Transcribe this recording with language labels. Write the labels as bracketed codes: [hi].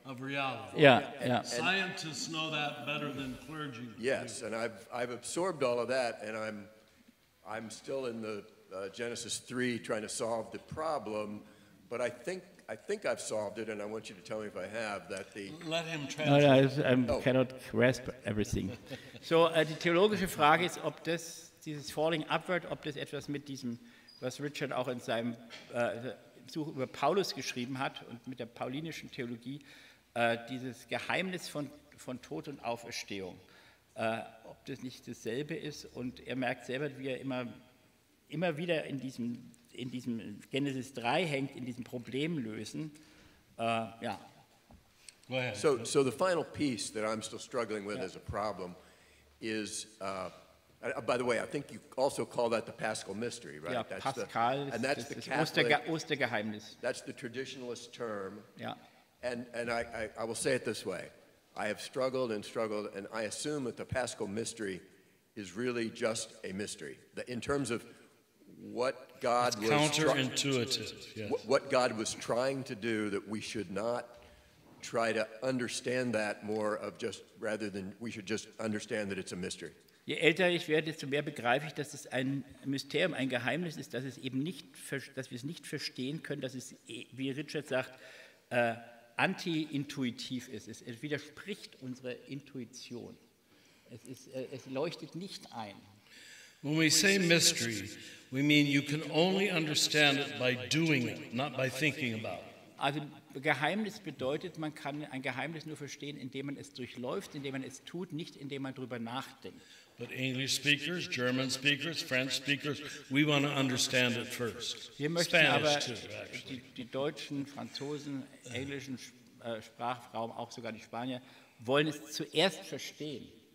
[en] Of reality. Scientists know that better than clergy. Yes, and I've absorbed all of that, and I'm still in the Genesis 3 trying to solve the problem, but I think I've solved it, and I want you to tell me if I have, that the... Let him translate. Cannot grasp everything. [de] So, die theologische Frage ist, ob das, dieses [en] falling upward, [de] ob das etwas mit diesem, was Richard auch in seinem Buch über Paulus geschrieben hat, und mit der paulinischen Theologie, dieses Geheimnis von Tod und Auferstehung, ob das nicht dasselbe ist, und er merkt selber, wie er immer wieder in diesem Genesis 3 hängt, in diesem Problem lösen. [en] Go ahead. So the final piece that I'm still struggling with as a problem is, by the way, I think you also call that the Paschal Mystery, right? Yeah, that's Pascal, and that's the Catholic, [de] Ostergeheimnis. [en] That's the traditionalist term. Yeah. And I will say it this way. I have struggled, and I assume that the Paschal Mystery is really just a mystery. In terms of what God was counterintuitive. What God was trying to do, that we should not try to understand that more of just rather than we should just understand that it's a mystery. [de] Je älter ich werde, desto mehr begreife ich, dass es ein Mysterium, ein Geheimnis ist, dass es eben nicht, dass wir es nicht verstehen können, dass es, wie Richard sagt, anti-intuitiv ist. Es widerspricht unserer Intuition. Es leuchtet nicht ein. [en] When we say mystery, we mean you can only understand it by doing it, not by thinking about it. [de] Also Geheimnis bedeutet, man kann ein Geheimnis nur verstehen, indem man es durchläuft, indem man es tut, nicht indem man drüber nachdenkt. [en] But English speakers, German speakers, French speakers, we want to understand it first. [de] Wir möchten Spanish aber too, die Deutschen, Franzosen, englischen Sprachraum, auch sogar die Spanier, wollen es zuerst verstehen.